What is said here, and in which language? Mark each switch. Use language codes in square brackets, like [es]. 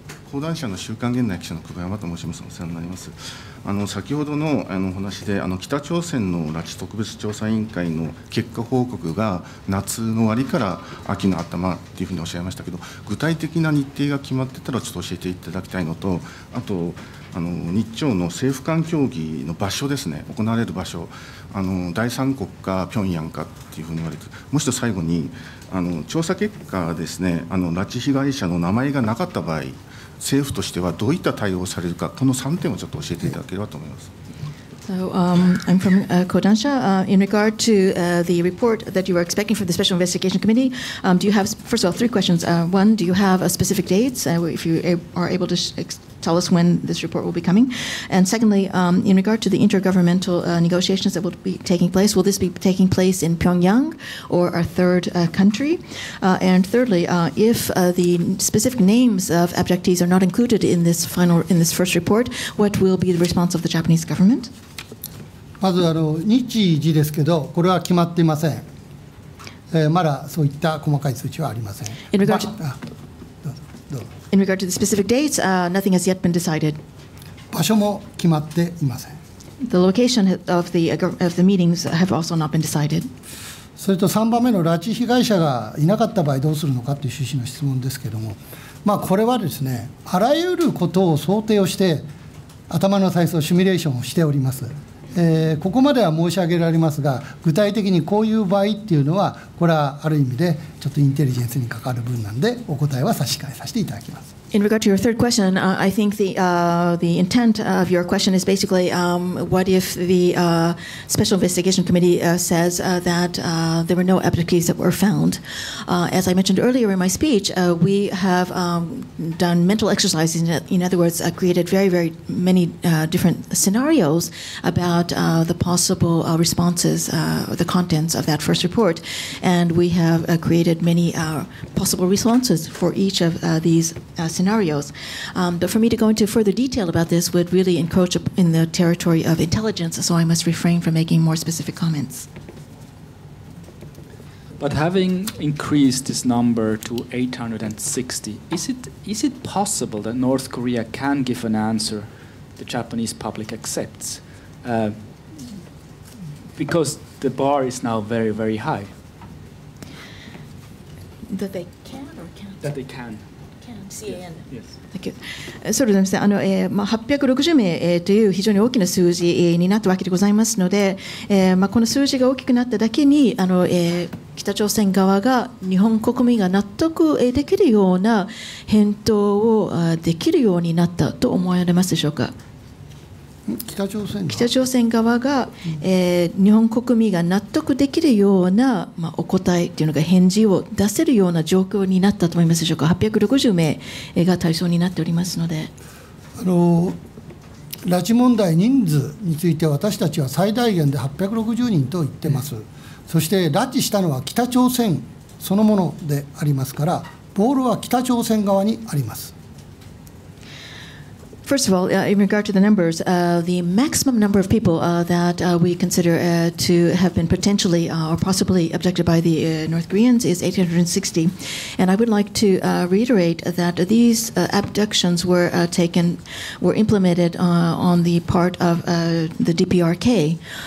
[ja] 講談社の週刊現代記者の久保山と申します。お世話になります。先ほどの話で北朝鮮の拉致特別調査委員会の結果報告が夏の終わりから秋の頭というふうにおっしゃいましたけど、具体的な日程が決まってたらちょっと教えていただきたいのと、あと日朝の政府間協議の場所ですね、行われる場所、第三国か平壌かっていうふうに言われて、もしと最後に調査結果ですね、拉致被害者の名前がなかった場合、政府としてはどういった対応をされるか、この3点をちょっと教えていただければと思います。 [en] So, I'm from Kodansha. In regard to the report that you were expecting from the Special Investigation Committee, do you have, first of all, three questions. One, do you have a specific dates, if you are able to tell us when this report will be coming? And secondly, in regard to the intergovernmental negotiations that will be taking place, will this be taking place in Pyongyang or a third country? And thirdly, if the specific names of abductees are not included in this final, in this first report, what will be the response of the Japanese government? [ja] まず日時ですけど、これは決まっていません。まだそういった細かい数値はありません。 [en] In regard to, In regard to the specific dates, nothing has yet been decided. [ja] 場所も決まっていません。 [en] The location of the, meetings have also not been decided. [ja] それと3番目の拉致被害者がいなかった場合どうするのかという趣旨の質問ですけども、まあ、これはですね、あらゆることを想定をして、頭の体操、シミュレーションをしております。ここまでは申し上げられますが、具体的にこういう場合っていうのは、これはある意味でちょっとインテリジェンスに関わる分なんで、お答えは差し替えさせていただきます。 [en] In regard to your third question, I think the intent of your question is basically what if the Special Investigation Committee says that there were no abductees that were found. As I mentioned earlier in my speech, we have done mental exercises, in other words, created very, very many different scenarios about the possible responses, the contents of that first report. And we have created many possible responses for each of these scenarios. But for me to go into further detail about this would really encroach in the territory of intelligence, so I must refrain from making more specific comments. But having increased this number to 860, is it possible that North Korea can give an answer the Japanese public accepts? Because the bar is now very, very high. That they can or can't? That they can. [ja] そうですね、860名という非常に大きな数字になったわけでございますので、この数字が大きくなっただけに北朝鮮側が日本国民が納得できるような返答をできるようになったと思われますでしょうか。北朝鮮側が、日本国民が納得できるような、お答えというのか返事を出せるような状況になったと思いますでしょうか。 860名が対象になっておりますので、拉致問題人数については私たちは最大限で860人と言ってます、そして拉致したのは北朝鮮そのものでありますから、ボールは北朝鮮側にあります。 [en] First of all, in regard to the numbers, the maximum number of people that we consider to have been potentially or possibly abducted by the North Koreans is 860. And I would like to reiterate that these abductions were implemented on the part of the DPRK.